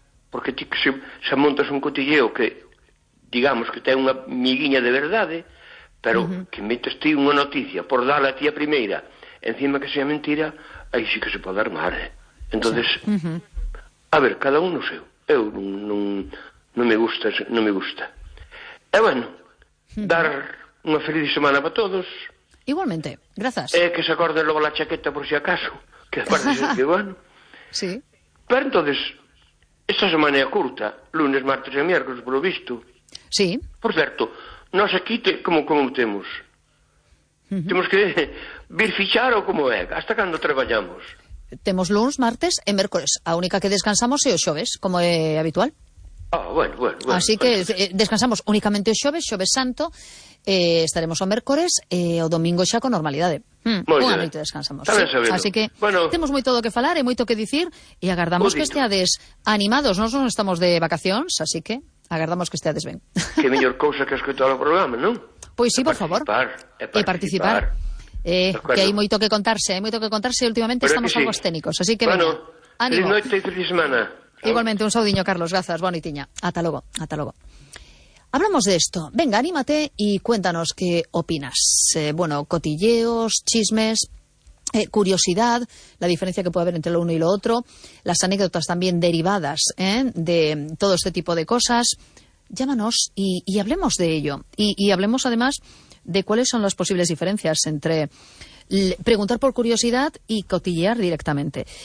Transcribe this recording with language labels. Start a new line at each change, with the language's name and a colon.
Galician: Porque ti que se montas un cotilleo que... Digamos que ten unha miguiña de verdade, pero que metes ti unha noticia por dar a ti a primeira,
Spanish: encima que sea mentira,
Galician: aí sí que se pode armar. Entonces, a ver, cada un o seu. Eu non me gusta. E bueno, dar unha feliz semana para todos. Igualmente, grazas. E que se acorde logo la chaqueta por si acaso, que aparte se que bueno. Sí. Pero entonces, esta semana é curta, lunes, martes e miércoles, polo visto. Sí. Por certo, nós aquí como temos? Temos que vir fichar ou como é? Hasta cando traballamos? Temos luns, martes e mércoles. A única que descansamos é o xoves, como é habitual. Ah, bueno. Así que descansamos únicamente o xoves santo, estaremos o mércoles e o domingo xa con normalidade. Unha noite descansamos. Sí. Así que temos moito do que falar e moito que dicir e agardamos que esteades animados. Nós non estamos de vacacións, así que... Agardamos que esteades ben. Que mellor cousa que escoitar o programa, non? Pois sí, por favor. E participar. Que hai moito que contarse, últimamente estamos algo técnicos, así que bueno, ánimo. Feliz noite e feliz semana. Igualmente, un saudiño, Carlos, grazas, boa noitiña. Ata logo.
Spanish: Hablamos de esto. Venga, anímate e cuéntanos que opinas. Bueno, cotilleos, chismes... curiosidad, la diferencia que puede haber entre lo uno y lo otro, las anécdotas también derivadas de todo este tipo de cosas. Llámanos y hablemos de ello. Y hablemos además de cuáles son las posibles diferencias entre preguntar por curiosidad y cotillear directamente.